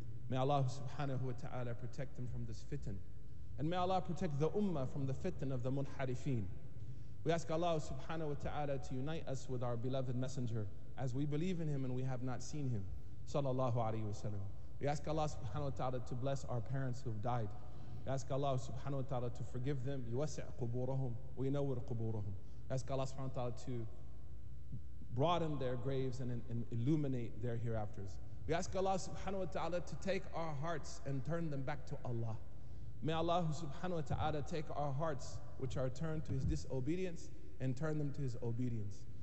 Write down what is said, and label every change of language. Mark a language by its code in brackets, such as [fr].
[en] May Allah subhanahu wa ta'ala protect them from this fitan. And may Allah protect the ummah from the fitan of the munharifin. We ask Allah subhanahu wa ta'ala to unite us with our beloved messenger, as we believe in him and we have not seen him, sallallahu alayhi wa sallam. We ask Allah subhanahu wa ta'ala to bless our parents who have died. We ask Allah subhanahu wa ta'ala to forgive them. [ar] يوسع قبورهم وينور قبورهم. [en] We ask Allah subhanahu wa ta'ala to broaden their graves and illuminate their hereafters. We ask Allah subhanahu wa ta'ala to take our hearts and turn them back to Allah. May Allah subhanahu wa ta'ala take our hearts, which are turned to his disobedience, and turn them to his obedience.